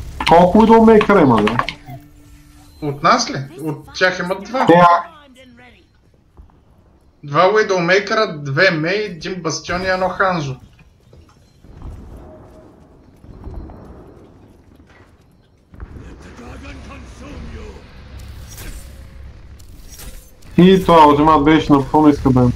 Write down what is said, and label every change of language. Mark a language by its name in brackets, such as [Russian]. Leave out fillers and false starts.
[Bulgarian] Колко Widowmaker има, бе? От нас ли? От тях имат два. Да. Два Widowmaker, две Мей, един Бастион и едно Ханзо. [English] Let the dragon consume you. [Bulgarian] И това отжимат беше на какво не иска да е.